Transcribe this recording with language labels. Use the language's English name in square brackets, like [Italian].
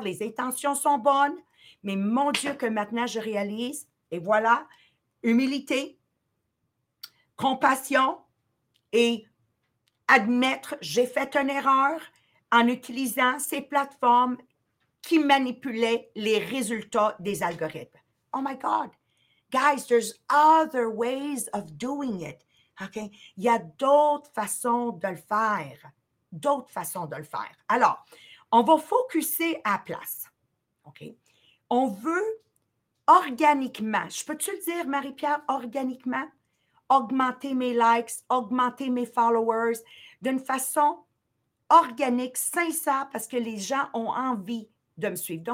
[French] Les intentions sont bonnes. Mais mon Dieu, que maintenant je réalise. Et voilà, humilité, compassion et admettre, j'ai fait une erreur en utilisant ces plateformes qui manipulaient les résultats des algorithmes. [English] Oh my God! Guys, there's other ways of doing it. Okay? [French] Il y a d'autres façons de le faire. D'autres façons de le faire. Alors, on va focusser à place. Okay? On veut organiquement, je peux-tu le dire, Marie-Pierre, organiquement, augmenter mes likes, augmenter mes followers d'une façon organique, sincère, parce que les gens ont envie de me suivre.